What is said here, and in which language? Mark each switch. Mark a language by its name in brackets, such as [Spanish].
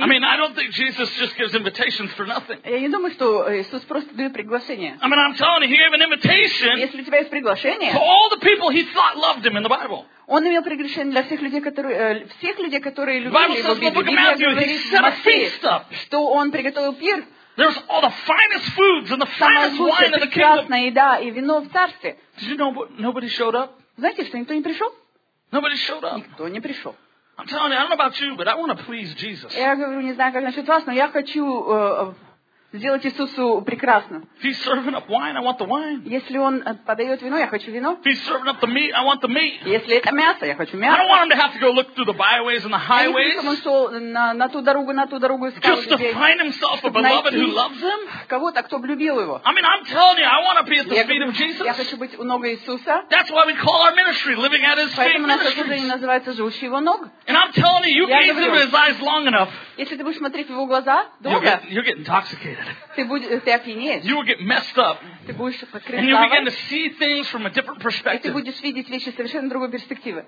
[English] I mean, I don't think Jesus just gives invitations for nothing. [Russian] Я не думаю, что Иисус просто дает приглашение. [English] I mean, I'm telling you, He gave an invitation. [Russian] Если у тебя есть приглашение. [English] To all the people He thought loved Him in the Bible. [Russian] Он имел приглашение для всех людей, которые любили его. [English] The Bible says, "Look at Matthew, He set a feast up." [Russian] Что он приготовил пир? [English] There's all the finest foods and the finest wine in the kingdom. [Russian] Прекрасная еда и вино в царстве. [English] Did you know nobody showed up? [Russian] Знаете, что никто не пришел? [English] Nobody showed up. [Russian] Никто не пришел. [English] I'm telling you, I don't know about you, but I want to please Jesus. [Russian] Я говорю, не знаю, как насчет вас, но я хочу сделать Иисусу прекрасно. [English] If He's serving up wine, I want the wine. [Russian] Если он подает вино, я хочу вино. [English] If He's serving up the meat, I want the meat. [Russian] Если это мясо, я хочу мясо. [English] I don't want him to have to go look through the byways and the highways. [Russian] Я не хочу, чтобы он шел на ту дорогу, на ту дорогу искал людей. [English] Just to find himself a beloved who loves him. [Russian] Кого-то, кто любил его. [English] I mean, I'm telling you, I want to be at the feet of Jesus. [Russian] Я хочу быть у ног Иисуса. [English] That's why we call our ministry living at His feet. [Russian] Поэтому наше служение называется «Живущие его ног». [English] And I'm telling you, you gaze into His eyes long enough. [Russian] Если ты будешь смотреть в его глаза долго, [English] you'll get intoxicated. [Russian] Ты опьянеешь. [English] You will get messed up. [Russian] Ты будешь покрытый. [English] And you'll begin to see things from a different perspective. [Russian] И ты будешь видеть вещи совершенно другой перспективы.